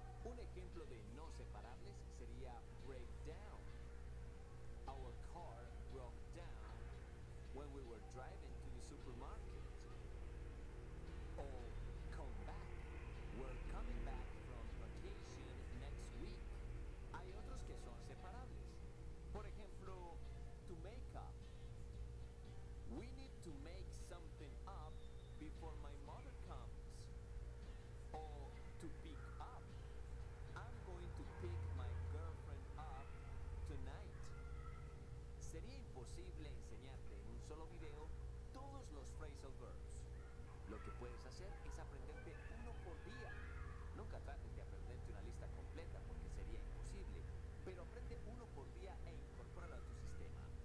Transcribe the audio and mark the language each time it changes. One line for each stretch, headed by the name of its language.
Spanish: Un ejemplo de no separables sería break down.
English: Our car broke down when we were driving to the supermarket. Or come back. We're coming back from vacation next week.
Spanish: Hay otros que son separables. Por ejemplo, to make up.
English: We need to make something up before my mother comes. Or to pick up. I'm going to pick my girlfriend up tonight.
Spanish: Sería imposible enseñarte en un solo video todos los phrasal verbs. Lo que puedes hacer es aprenderte uno por día. Nunca trates de aprenderte una lista completa porque sería imposible, pero aprende uno por día e incorpóralo a tu sistema.